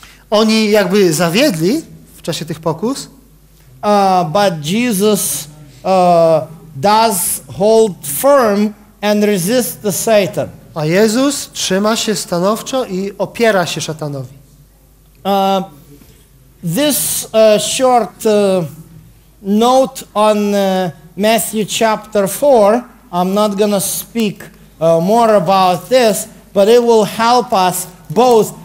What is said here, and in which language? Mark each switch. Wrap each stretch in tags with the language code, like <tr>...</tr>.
<pl>Oni jakby zawiedli w czasie tych pokus.</pl> <en>But Jesus does hold firm and resist the Satan.</en> <pl>A Jezus trzyma się stanowczo i opiera się szatanowi.</pl> <en>This short note on Matthew chapter 4, I'm not gonna speak more about this, but it will help us both.</en>